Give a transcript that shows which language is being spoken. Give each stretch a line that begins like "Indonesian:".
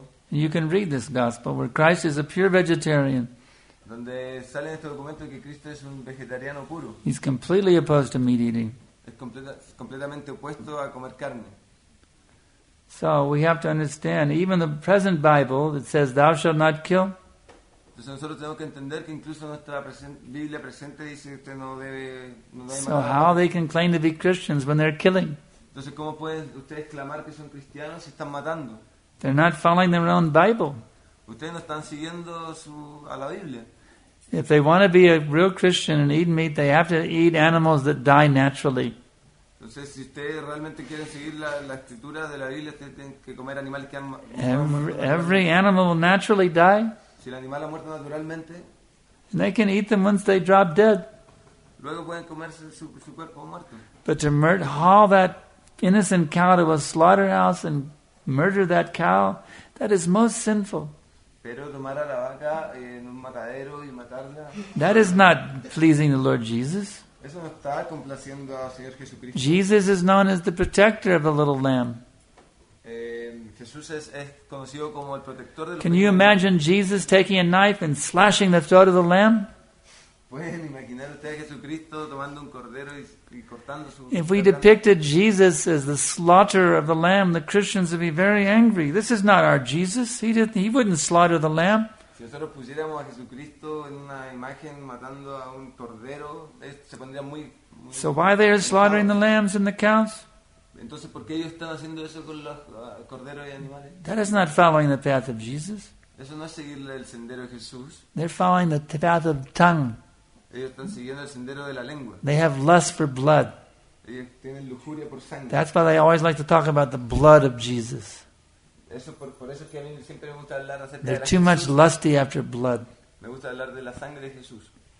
English: You can read this gospel where Christ is a pure vegetarian.
Spanish: Donde sale este documento que Cristo es un vegetariano puro.
English: He's completely opposed to meat eating.
Spanish: Es completamente opuesto a comer carne.
English: So we have to understand, even the present Bible that says, "Thou shalt not kill."
Spanish: Entonces nosotros tenemos que entender que incluso nuestra Biblia presente dice que no debe matar.
English: So how they can claim to be Christians when they're killing?
Spanish: Entonces cómo pueden ustedes clamar que son cristianos si están matando?
English: They're not following their own Bible.
Spanish: Ustedes no están siguiendo a la Biblia.
English: If they want to be a real Christian and eat meat, they have to eat animals that die naturally.
Spanish: Entonces si ustedes realmente quieren seguir la escritura de la Biblia, ustedes tienen que comer animales que han muerto.
English: Every animal will naturally die.
Spanish: Si el animal ha muerto naturalmente.
English: And they can eat them once they drop dead.
Spanish: Luego pueden comerse su cuerpo muerto.
English: But to haul that innocent cow to a slaughterhouse and murder that cow, that is most sinful.
Spanish: Pero tomar a la vaca en un matadero y matarla.
English: That is not pleasing the Lord Jesus.
Spanish: Eso no está complaciendo al Señor Jesucristo.
English: Jesus is known as the protector of the little lamb.
Spanish: Jesús es conocido como el protector de los.
English: Can you imagine Jesus taking a knife and slashing the throat of the lamb?
Spanish: ¿Pueden imaginar ustedes a Jesucristo tomando un cordero y cortando su?
English: If we depicted Jesus as the slaughterer of the lamb, the Christians would be very angry. This is not our Jesus. He wouldn't slaughter the lamb.
Spanish: Si nosotros pusiéramos a Jesucristo en una imagen matando a un cordero, se pondría muy.
English: So why they are slaughtering the lambs and the cows?
Spanish: Entonces, ¿por qué ellos están haciendo eso con los corderos y animales?
English: That is not following the path of Jesus.
Spanish: Eso no es seguirle el sendero de Jesús.
English: They're following the path of tongue.
Spanish: Ellos están siguiendo el sendero de la lengua.
English: They have lust for blood.
Spanish: Ellos tienen lujuria por sangre.
English: That's why they always like to talk about the blood of Jesus.
Spanish: Eso por eso que a mí siempre me gusta hablar acerca de la sangre.
English: They're too much lusty after blood.
Spanish: Me gusta hablar de la sangre de Jesús.